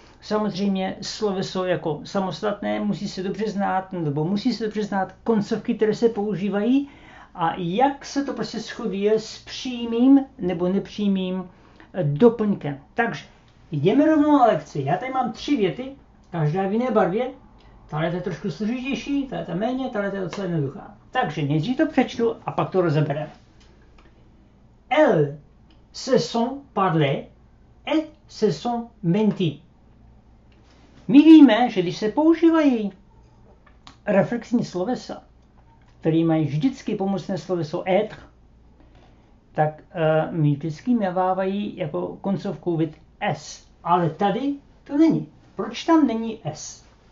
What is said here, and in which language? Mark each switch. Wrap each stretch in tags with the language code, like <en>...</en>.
<cs>Samozřejmě sloveso jako samostatné musí se dobře znát, nebo musí se dobře znát koncovky, které se používají a jak se to prostě shoduje s přímým nebo nepřímým doplňkem. Takže jdeme rovnou na lekci. Já tady mám tři věty, každá v jiné barvě. Tahle je trošku složitější, tahle je méně, tahle je docela jednoduchá. Takže nejdřív to přečtu a pak to rozebereme.</cs> <fr>Elles se sont parlé et se sont menti.</fr> <cs>My víme, že když se používají reflexní slovesa, které mají vždycky pomocné sloveso être, tak my vždycky mávávají jako koncovku with s. Ale tady to není. Proč tam není s?</cs>